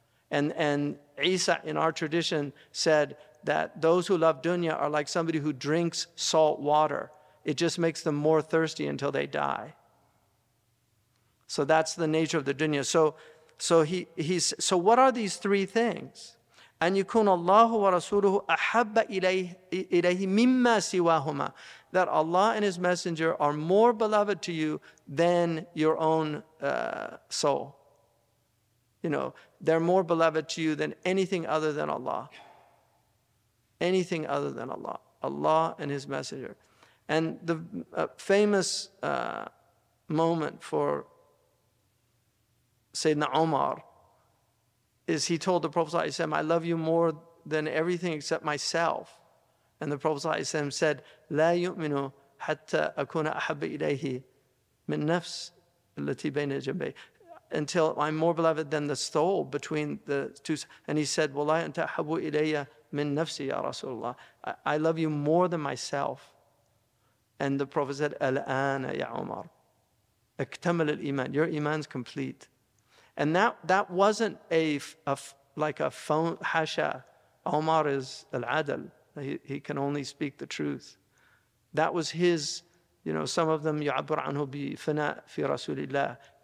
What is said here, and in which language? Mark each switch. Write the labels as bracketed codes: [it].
[en] And Isa in our tradition said that those who love dunya are like somebody who drinks salt water. It just makes them more thirsty until they die. So that's the nature of the dunya. So what are these three things? [ar] أن يكون الله ورسوله أحب إليه مما سواهما. [en] That Allah and His Messenger are more beloved to you than your own soul. You know, they're more beloved to you than anything other than Allah. Anything other than Allah. Allah and His Messenger. And the famous moment for Sayyidina Umar, is he told the Prophet ﷺ, I love you more than everything except myself. And the Prophet ﷺ said, [ar] لا يؤمن حتى أكون أحب إليه من نفس التي بين جنبي. [en] Until I'm more beloved than the soul between the two. And he said, [ar] ولا أنت أحب إلي من نفسي يا رسول الله. [en] I love you more than myself. And the Prophet said, [ar] الآن يا عمر اكتمل الإيمان. [en] Your iman's complete. And that wasn't like a phone, hasha. Omar is al-adl. He can only speak the truth. That was his, you know, some of them, [ar] يُعَبُّرْ عَنْهُ بِفِنَاءِ فِي رَسُولِ اللَّهِ.